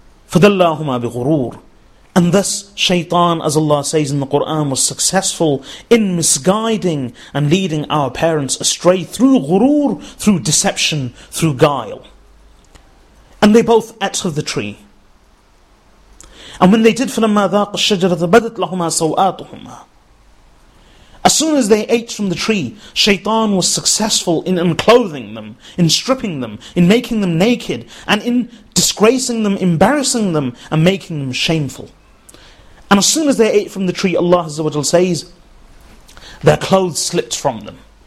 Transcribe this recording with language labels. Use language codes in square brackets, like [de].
[ar] فَدَلَّاهُمَا بِغُرُورِ. [en] And thus, Shaytan, as Allah says in the Qur'an, was successful in misguiding and leading our parents astray through ghurur, through deception, through guile. And they both ate of the tree. And when they did, [ar] فَلَمَّا ذَاقَ الشَّجَرَةَ بَدَتْ لَهُمَا سَوْآتُهُمَا. [en] As soon as they ate from the tree, Shaytan was successful in unclothing them, in stripping them, in making them naked, and in disgracing them, embarrassing them, and making them shameful. And as soon as they ate from the tree, Allah Azza wa Jal says, their clothes slipped from them.